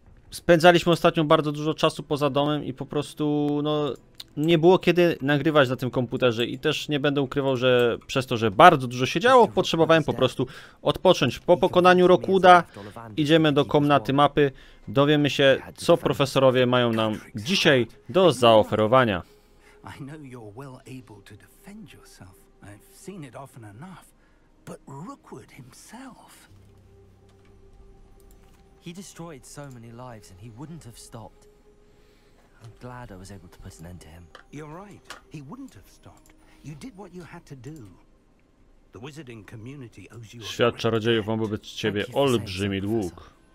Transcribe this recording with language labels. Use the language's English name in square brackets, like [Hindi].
[Polish] Spędzaliśmy ostatnio bardzo dużo czasu poza domem i po prostu no, nie było kiedy nagrywać na tym komputerze. I też nie będę ukrywał, że przez to, że bardzo dużo się działo, potrzebowałem po prostu odpocząć. Po pokonaniu Rookwooda idziemy do komnaty mapy. Dowiemy się, co profesorowie mają nam dzisiaj do zaoferowania. [English] I know you're well able to defend yourself. I've seen it often enough. But Rookwood himself. He destroyed so many lives and he wouldn't have stopped. I'm glad I was able to put an end to him. You're right. He wouldn't have stopped. You did what you had to do. The wizarding community owes you a [Polish] świat czarodziejów ma wobec ciebie olbrzymi dług.